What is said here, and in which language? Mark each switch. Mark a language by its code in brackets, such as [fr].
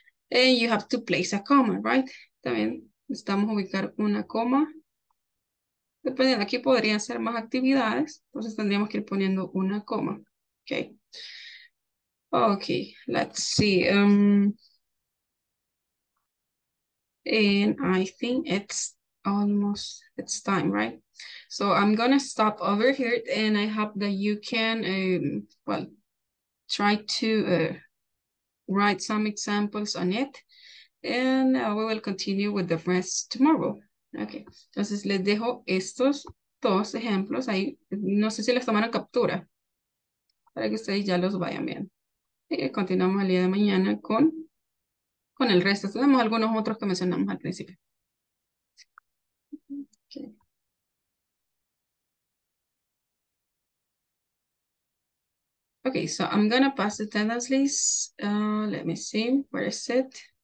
[en] And you have to place a comma, right? [es] También necesitamos ubicar una coma. Dependiendo, aquí podrían ser más actividades, entonces tendríamos que ir poniendo una coma. [en] Okay. Okay, let's see. And I think it's time, right? So I'm gonna stop over here, and I hope that you can try to write some examples on it, and we will continue with the rest tomorrow. [es] Ok, entonces les dejo estos dos ejemplos ahí. No sé si les tomaron captura para que ustedes ya los vayan bien. Y continuamos el día de mañana con el resto. Tenemos algunos otros que mencionamos al principio. [en] Ok, okay, so I'm gonna pass the attendance list. Let me see, where is it?